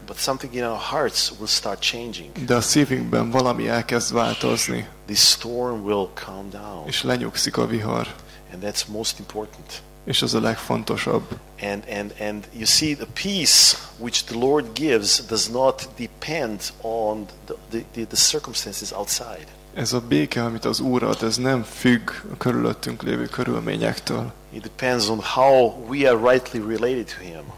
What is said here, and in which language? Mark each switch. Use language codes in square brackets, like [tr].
[en] But something in our hearts will start changing. [hu] De a szívünkben valami elkezd változni. [en] The storm will calm down. [hu] És lenyugszik a vihar. [en] And that's most important. [hu] És az a legfontosabb. [en] And you see, the peace which the Lord gives does not depend on the circumstances outside. [hu] Ez a béke, amit az Úr ad, ez nem függ a körülöttünk lévő körülményektől. [en] It depends on how we are rightly related to him.